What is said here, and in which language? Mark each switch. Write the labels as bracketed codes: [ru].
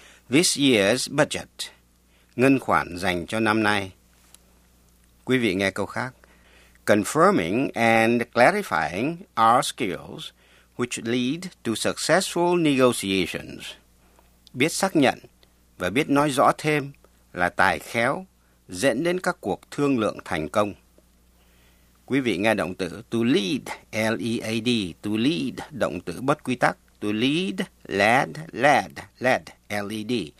[en] This year's budget, [vi] ngân khoản dành cho năm nay. Quý vị nghe câu khác. [en] Confirming and clarifying our skills which lead to successful negotiations. [vi] Biết xác nhận và biết nói rõ thêm là tài khéo dẫn đến các cuộc thương lượng thành công. Quý vị nghe động từ to lead, L-E-A-D, to lead, động từ bất quy tắc. [en] To lead, led, led, led, L-E-D.